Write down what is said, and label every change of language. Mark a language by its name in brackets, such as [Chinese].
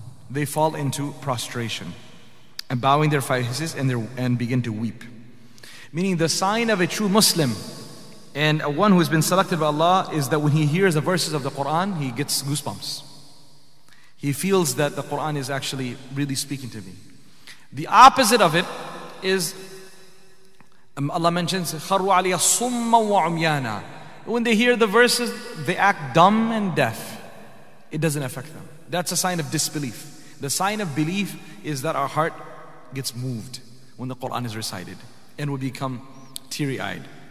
[English] They fall into prostration and bowing their faces and begin to weep. Meaning the sign of a true Muslim and a one who has been selected by Allah is that when he hears the verses of the Quran, he gets goosebumps. He feels that the Quran is actually really speaking to me. The opposite of it is Allah mentions [Arabic] خَرُوا عَلَيَا صُمَّا وَعُمْيَانَا. [English] When they hear the verses, they act dumb and deaf. It doesn't affect them. That's a sign of disbelief. The sign of belief is that our heart gets moved when the Quran is recited, and we become teary-eyed.